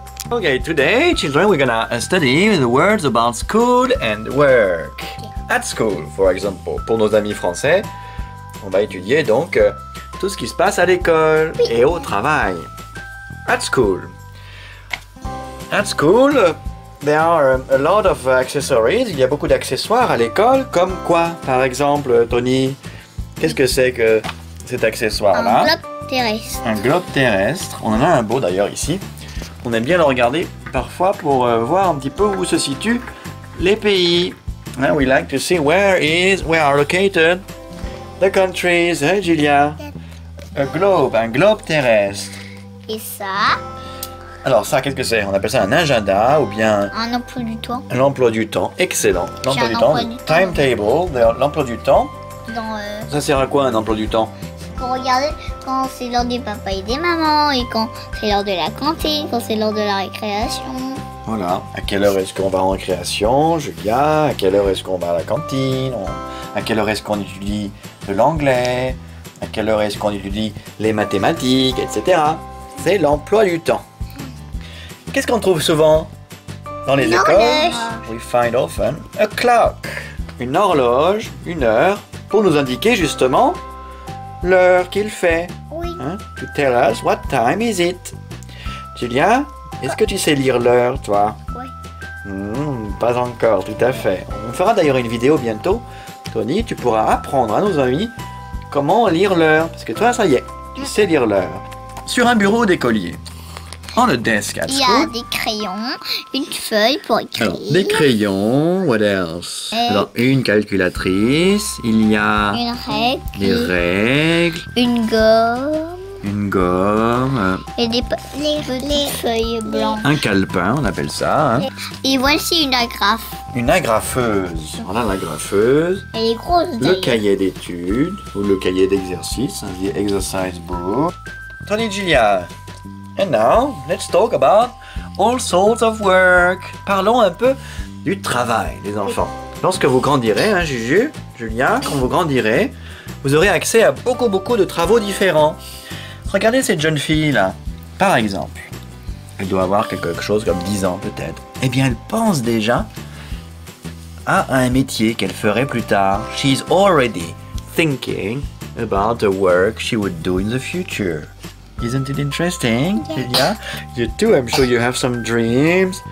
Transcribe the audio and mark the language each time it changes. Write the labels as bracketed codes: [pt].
[en] Okay, today, children, we're gonna study the words about school and work. At school, for example, [fr] pour nos amis français, on va étudier donc tout ce qui se passe à l'école et au travail. [en] At school. At school, there are a lot of accessories. [fr] Il y a beaucoup d'accessoires à l'école, comme quoi, par exemple, Tony, qu'est-ce que c'est que cet accessoire-là? Un globe terrestre. Un globe terrestre. On en a un beau d'ailleurs ici. On aime bien le regarder parfois pour voir un petit peu où se situent les pays. Hein, [en] we like to see where are located the countries, hein, Julia? [fr] Un globe terrestre. Et ça? Alors ça, qu'est-ce que c'est? On appelle ça un agenda ou bien... Un emploi du temps. L'emploi du temps, excellent. L'emploi du temps. Ça sert à quoi un emploi du temps? Pour regarder quand c'est l'heure des papas et des mamans, et quand c'est l'heure de la cantine, quand c'est l'heure de la récréation. Voilà, à quelle heure est-ce qu'on va en récréation, Julia? À quelle heure est-ce qu'on va à la cantine? À quelle heure est-ce qu'on étudie de l'anglais? À quelle heure est-ce qu'on étudie les mathématiques, etc. C'est l'emploi du temps. Qu'est-ce qu'on trouve souvent dans les écoles? [en] We find often a clock. [fr] Une horloge, une heure, pour nous indiquer justement l'heure qu'il fait. Oui. Hein? [en] To tell us what time is it. [fr] Julia, est-ce que tu sais lire l'heure, toi? Oui. Pas encore, tout à fait. On fera d'ailleurs une vidéo bientôt. Tony, tu pourras apprendre à nos amis comment lire l'heure. Parce que toi, ça y est, tu sais lire l'heure. Sur un bureau d'écolier, on [en] a desk at school. [fr] Il y a des crayons, une feuille pour écrire. Alors, des crayons, [en] what else? [fr] Alors, une calculatrice, il y a... Une règle. Des règles. Une gomme. Une gomme. Et des petites feuilles blanches. Un calepin, on appelle ça. Hein. Et voici une agrafe. Une agrafeuse. Voilà l'agrafeuse. Elle est grosse. Le cahier d'études ou le cahier d'exercice, [en] the exercise book. [fr] Tony Julia. [en] And now, let's talk about all sorts of work. [fr] Parlons un peu du travail, les enfants. Lorsque vous grandirez, hein, Juju, Julia, quand vous grandirez, vous aurez accès à beaucoup, beaucoup de travaux différents. Regardez cette jeune fille-là, par exemple. Elle doit avoir quelque chose comme 10 ans, peut-être. Eh bien, elle pense déjà à un métier qu'elle ferait plus tard. [en] She's already thinking about the work she would do in the future. Isn't it interesting, Julia? Yeah. You too, I'm sure you have some dreams.